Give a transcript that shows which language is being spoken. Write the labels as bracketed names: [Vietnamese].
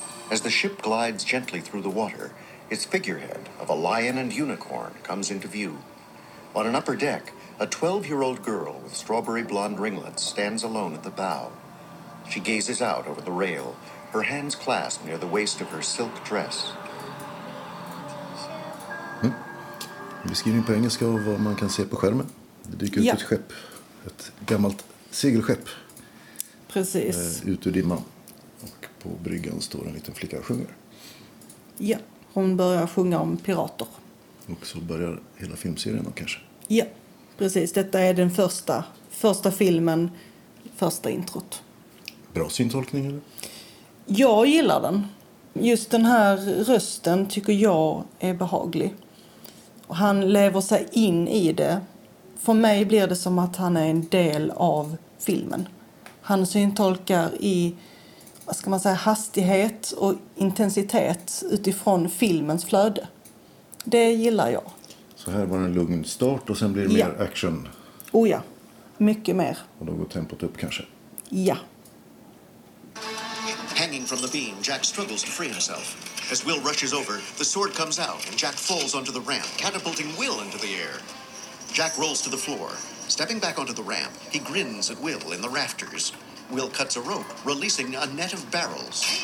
[English] As the ship glides gently through the water, its figurehead of a lion and unicorn comes into view. On an upper deck, a 12-year-old girl with strawberry blonde ringlets stands alone at the bow. She gazes out over the rail, her hands clasped near the waist of her silk dress. Mm. [Swedish] Beskrivning på engelska av vad man kan se på skärmen. Det dyker ut ett skepp, ett gammalt segelskepp. Precis. Ut ur dimman. På bryggan står en liten flicka och sjunger. Ja, hon börjar sjunga om pirater. Och så börjar hela filmserien då kanske? Ja, precis. Detta är den första filmen, första introt. Bra syntolkning eller? Jag gillar den. Just den här rösten tycker jag är behaglig. Och han lever sig in i det. För mig blir det som att han är en del av filmen. Han syntolkar i, vad ska man säga, hastighet och intensitet utifrån filmens flöde. Det gillar jag. Så här var en lugn start och sen blir det mer action? Oh ja, mycket mer. Och då går tempot upp kanske? Ja. [English] Hanging from the beam, Jack struggles to free himself. As Will rushes over, the sword comes out and Jack falls onto the ramp, catapulting Will into the air. Jack rolls to the floor. Stepping back onto the ramp, he grins at Will in the rafters. Will cuts a rope, releasing a net of barrels.